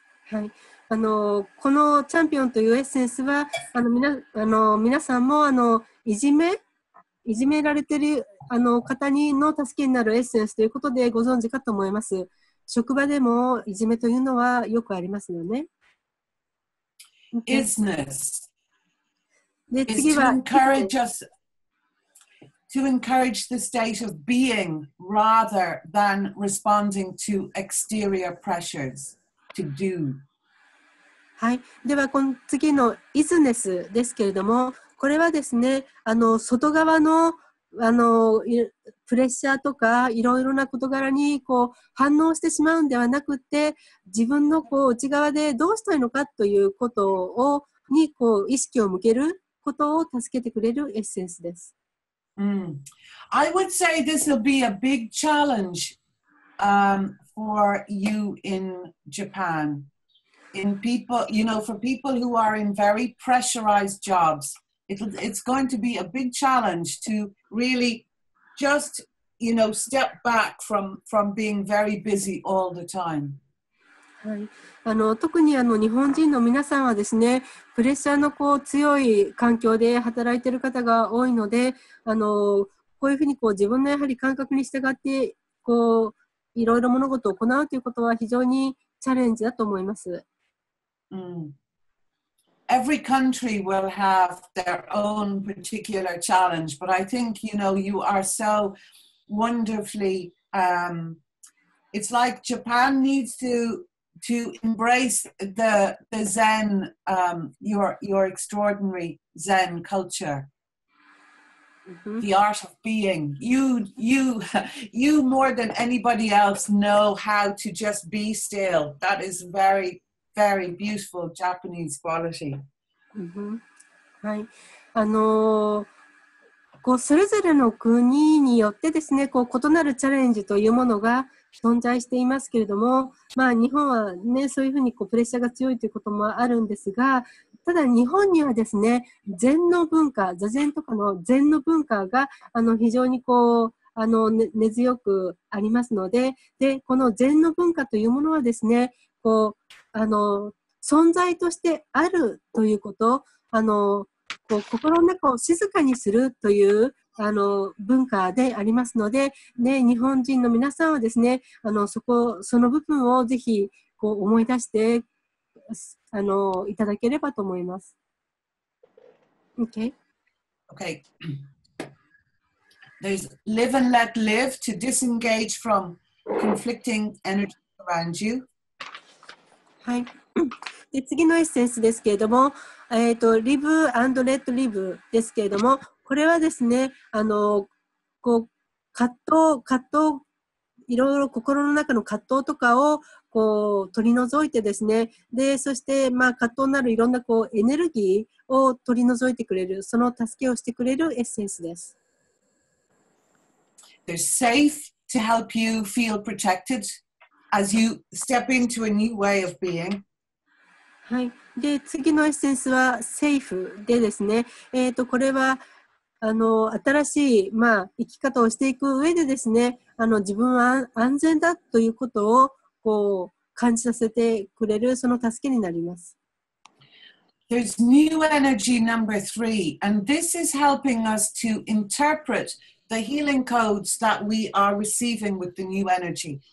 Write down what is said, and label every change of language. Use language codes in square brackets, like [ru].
[ja] はい、このチャンピオンというエッセンスは皆さんもいじめられている方にの助けになるエッセンスということでご存知かと思います。職場でもいじめというのはよくありますよね。 [en] Business. [ja] で次は [en] To encourage the state of being rather than responding to exterior pressures to do. [ja] はい、ではこの次のイズネスですけれども、これはですね、外側のプレッシャーとかいろいろな事柄にこう反応してしまうんではなくて、自分のこう内側でどうしたいのかということをにこう意識を向けることを助けてくれるエッセンスです。 [en] うん、I would say this will be a big challenge, for you in Japan. In people, you know, for people who are in very pressurized jobs, it's going to be a big challenge to really just, you know, step back from being very busy all the time. [ja] はい、特に日本人の皆さんはですね、プレッシャーのこう強い環境で働いている方が多いので、こういうふうにこう自分のやはり感覚に従ってこういろいろ物事を行うということは非常にチャレンジだと思います。 Mm. [en] Every country will have their own particular challenge, but I think, you know, you are so wonderfully, it's like Japan needs to embrace the Zen, your extraordinary Zen culture,、mm-hmm. the art of being. You more than anybody else know how to just be still. That is very... Very beautiful Japanese quality. Mm-hmm. [ja] はい、こうそれぞれの国によってですね、こう異なるチャレンジというものが存在していますけれども、まあ日本はね、そういうふうにこうプレッシャーが強いということもあるんですが、ただ日本にはですね、禅の文化、座禅とかの禅の文化が非常にこう根強くありますので、でこの禅の文化というものはですね、こう存在としてあるということ、こう心の中を静かにするという文化でありますので、ね、日本人の皆さんはですね、その部分をぜひこう思い出していただければと思います。 [en] Okay? Okay. There's live and let live to disengage from conflicting energy around you. [ja] はい、で次のエッセンスですけれども、Live and Let Live ですけれども、これはですね、こう葛藤、いろいろ心の中の葛藤とかをこう取り除いてですね、でそして、まあ、葛藤なるいろんなこうエネルギーを取り除いてくれる、その助けをしてくれるエッセンスです。 [en] They're safe to help you feel protected as you step into a new way of being. [ja] はい。で、次のエッセンスは safe でですね、これは新しい、生き方をしていく上でですね、自分は安全だということをこう感じさせてくれるその助けになります。 [en] There's new energy number three, and this is helping us to interpret the healing codes that we are receiving with the new energy.